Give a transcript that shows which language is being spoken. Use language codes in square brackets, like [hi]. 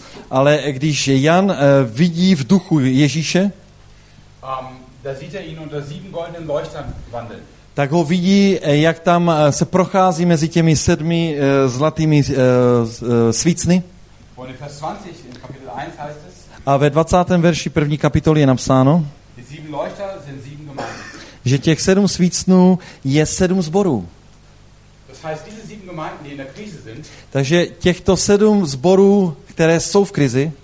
[cs] Ale když Jan vidí v duchu Ježíše, [de] da sieht er ihn unter sieben goldenen Leuchtern wandeln. [cs] Tak ho vidí, jak tam se prochází mezi těmi sedmi zlatými svícny. [de] Und in Vers 20, in Kapitel 1 heißt es, [cs] a ve 20. verši první kapitoly je napsáno, [de] die sieben Leuchter sind sieben Gemeinden. [cs] Že těch sedm svícnů je sedm zborů. [de] Das heißt, diese sieben Gemeinden, die in der Krise sind, [cs] takže těchto sedm zborů, které jsou v krizi,